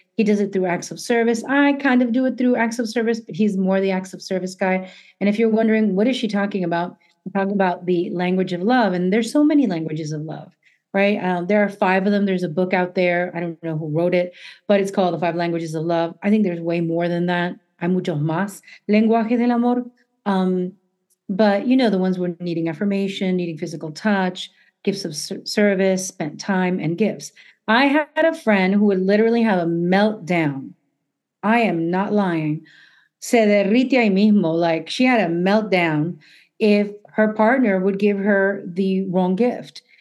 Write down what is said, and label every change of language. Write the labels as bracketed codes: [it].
[en] He does it through acts of service. I kind of do it through acts of service, but he's more the acts of service guy. And if you're wondering, what is she talking about? I'm talking about the language of love. And there's so many languages of love, right? There are five of them. There's a book out there. I don't know who wrote it, but it's called The Five Languages of Love. I think there's way more than that. [es] Hay muchos más lenguajes del amor. [en] But you know, the ones we're needing affirmation, needing physical touch, gifts of service, spent time, and gifts. I had a friend who would literally have a meltdown. I am not lying. [es] Se derrite ahí mismo. [en] Like, she had a meltdown if her partner would give her the wrong gift.